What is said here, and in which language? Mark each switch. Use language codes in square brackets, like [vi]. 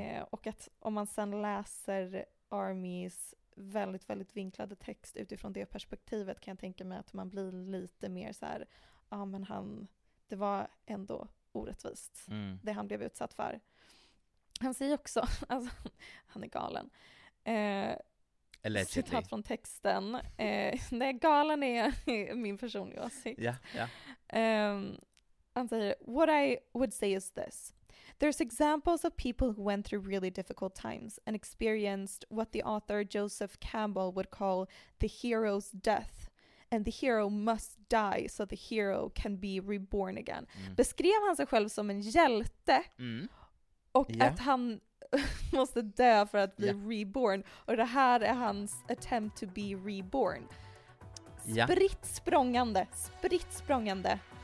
[sv] Och att om man sen läser Armies väldigt, väldigt vinklade text utifrån det perspektivet, kan jag tänka mig att man blir lite mer så här, ja, men han, det var ändå orättvist det han blev utsatt för. Han säger också, alltså, han är galen. Allegedly. Citat från texten. Nej, galen är min personliga åsikt. Ja, ja. Han säger, [en] what I would say is this. There's examples of people who went through really difficult times and experienced what the author Joseph Campbell would call the hero's death. And the hero must die so the hero can be reborn again. [sv] Beskrev han sig själv som en hjälte att han måste dö för att bli reborn. Och det här är hans [en] attempt to be reborn. [sv] Spritt språngande.